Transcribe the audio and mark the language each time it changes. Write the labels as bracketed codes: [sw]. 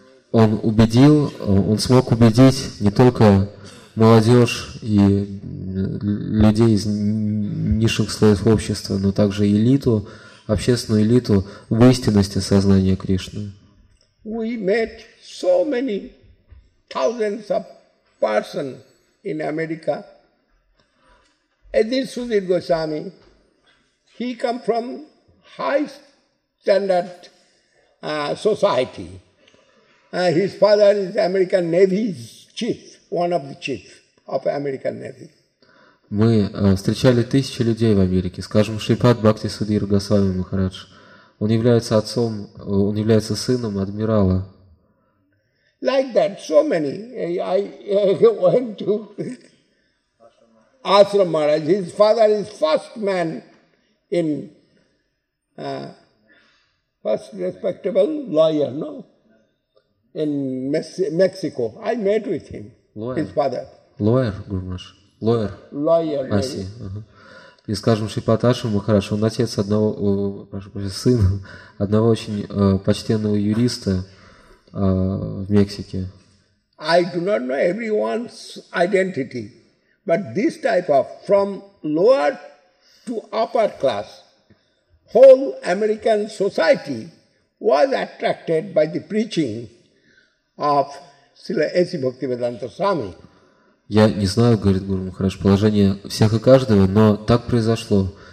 [ru] Он убедил, он смог убедить не только молодежь и людей из низших слоев общества, но также элиту, общественную элиту в истинности сознания Кришны. [en] We met so many thousands of persons in America. Adin Sudhir Goswami, he come from high standard society. His father is American Navy's chief, one of the chief of American Navy. [ru] Мы встречали тысячи людей в Америке. Скажем, Шрипад Бхакти Судир Госвами Махарадж. Он является отцом, он является сыном адмирала. [en] Like that, so many. I went to Ashram Maharaj. His father is first man in first respectable lawyer, no? In Mexico. I met with him, lawyer. His father. Lawyer, Guru Maharaj. Lawyer. Аси. [ru] И скажем, Шрипад Ашрам Махарадж, он отец одного, сына одного очень почтенного юриста в Мексике. [en] I do not know everyone's identity, but this type of, from lower to upper class, whole American society was attracted by the preaching of Srila A.C. Bhaktivedanta Swami. [ru] Я не знаю, говорит Гуру Махарадж, положение всех и каждого, но так произошло.